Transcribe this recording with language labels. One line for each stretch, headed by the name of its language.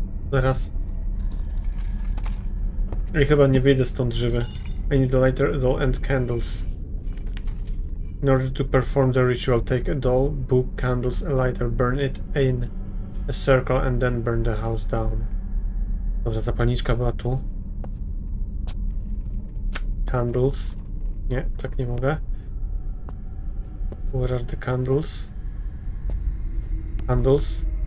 Polish: Teraz. I chyba nie wyjdę stąd żywy.
English: I need a lighter, a doll and candles. In order to perform the ritual, take a doll, book, candles, a lighter, burn it in a circle and then burn the house down.
Polish: Dobra, zapalniczka była tu.
English: Candles.
Polish: Nie, tak nie mogę.
English: Where are the candles? Candles.